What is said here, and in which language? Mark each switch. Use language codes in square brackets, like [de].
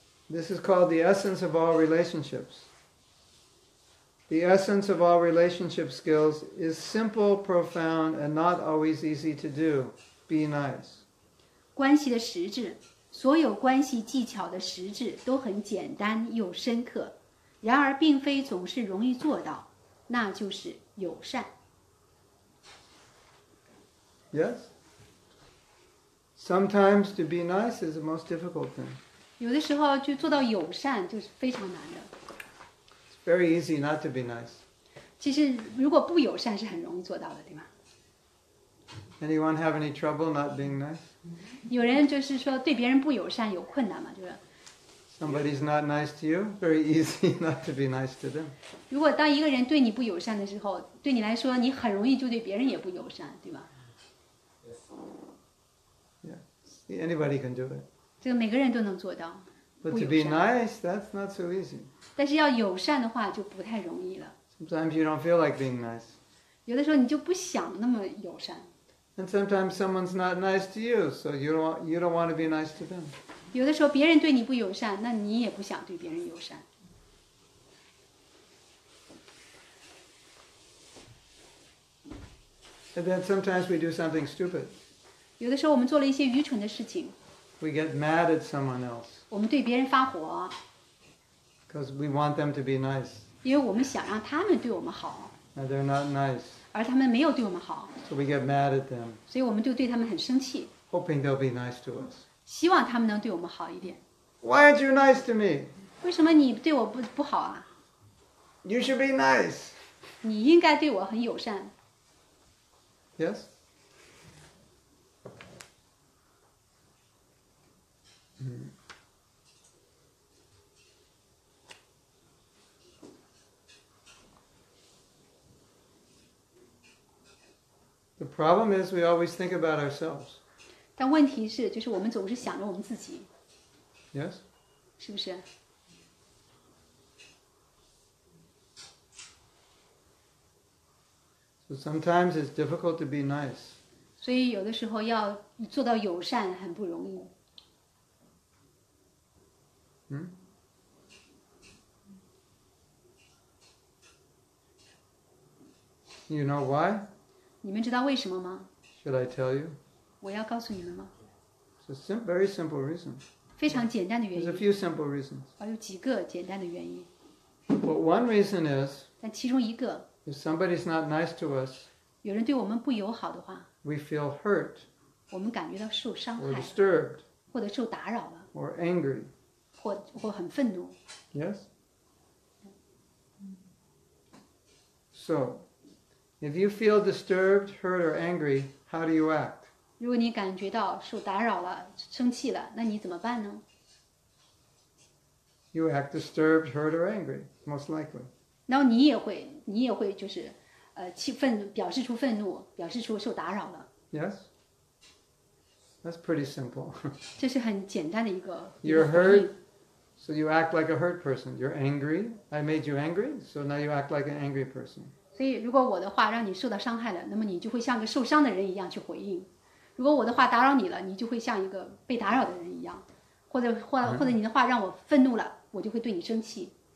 [en] This is called the essence of all relationships. The essence of all relationship skills is simple, profound, and not always easy to do. Be nice. [zh] 关系的实质。所有关系技巧的实质都很简单又深刻，然而并非总是容易做到，那就是友善。 [en] Yes. Sometimes to be nice is the most difficult thing. [zh] 有的时候就做到友善就是非常难的。 [en] It's very easy not to be nice. [zh] 其实如果不友善是很容易做到的，对吗？ [en] Anyone have any trouble not being nice? [zh] 有人就是说对别人不友善有困难吗？就是 [en] Somebody's not nice to you. Very easy not to be nice to them. [zh] 如果当一个人对你不友善的时候，对你来说，你很容易就对别人也不友善，对吧 [en] ？Yes. Yeah. Anybody can do it. [zh] 这个每个人都能做到。 [en] But to be nice, that's not so easy. [zh] 但是要友善的话就不太容易了。 [en] Sometimes you don't feel like being nice. [zh] 有的时候你就不想那么友善。 [en] And sometimes someone's not nice to you, so you don't want to be nice to them. [zh] 有的时候别人对你不友善，那你也不想对别人友善。 [en] And then sometimes we do something stupid. [zh] 有的时候我们做了一些愚蠢的事情。 [en] We get mad at someone else. [zh] 我们对别人发火。 [en] Because we want them to be nice. [zh] 因为我们想让他们对我们好。 [en] And they're not nice. [zh] 而他们没有对我们好 [en] so we get mad at them, [zh] 所以我们就对他们很生气 [en] hoping they'll be nice to us. [zh] 希望他们能对我们好一点 [en] Why aren't you nice to me? [zh] 为什么你对我 不好啊 [en] You should be nice. [zh] 你应该对我很友善 [en] Yes? The problem is we always think about ourselves. [zh] 但问题是，就是我们总是想着我们自己。 [en] Yes? [zh] 是不是？ [en] So sometimes it's difficult to be nice. [zh] 所以有的时候要做到友善很不容易。 Hmm? [en] You know why? [zh] 你们知道为什么吗？ [en] Should I tell you? [zh] 我要告诉你们吗？ [en] It's a very simple reason. [zh] 非常简单的原因。 [en] There's a few simple reasons. [zh] 有几个简单的原因。 [en] But one reason is, [zh] 但其中一个， [en] if somebody's not nice to us, [zh] 有人对我们不友好的话， [en] we feel hurt, [zh] 我们感觉到受伤害， [en] or disturbed, [zh] 或者受打扰了， [en] or angry, [zh] 或很愤怒。 [en] Yes? So, if you feel disturbed, hurt, or angry, how do you act? [zh] 如果你感觉到受打扰了，生气了，那你怎么办呢？ [en] You act disturbed, hurt, or angry, most likely. [zh] 然后你也会就是气愤，表示出愤怒，表示出受打扰了。 [en] Yes, that's pretty simple. [zh] 这是很简单的一个。 [en] You're hurt, so you act like a hurt person. You're angry. I made you angry, so now you act like an angry person. [zh] 所以如果我的话让你受到伤害了，那么你就会像个受伤的人一样去回应。如果我的话打扰你了，你就会像一个被打扰的人一样，或者你的话让我愤怒了，我就会对你生气。